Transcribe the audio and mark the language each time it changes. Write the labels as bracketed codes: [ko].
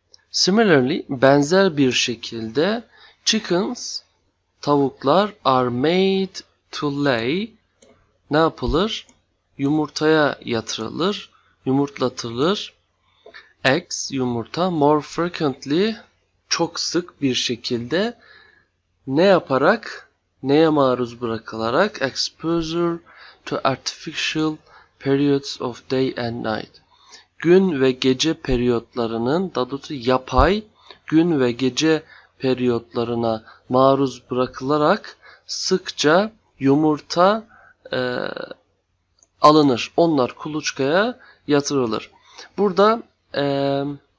[en] Similarly, [tr] benzer bir şekilde [en] chickens, [tr] tavuklar [en] are made to lay, [tr] ne yapılır? Yumurtaya yatırılır, yumurtlatılır. [en] Eggs, [tr] yumurta, [en] more frequently, [tr] çok sık bir şekilde ne yaparak, neye maruz bırakılarak? [en] Exposure to artificial periods of day and night. [tr] Gün ve gece periyotlarının, daha doğrusu yapay gün ve gece periyotlarına maruz bırakılarak sıkça yumurta alınır. Onlar kuluçkaya yatırılır. Burada Burada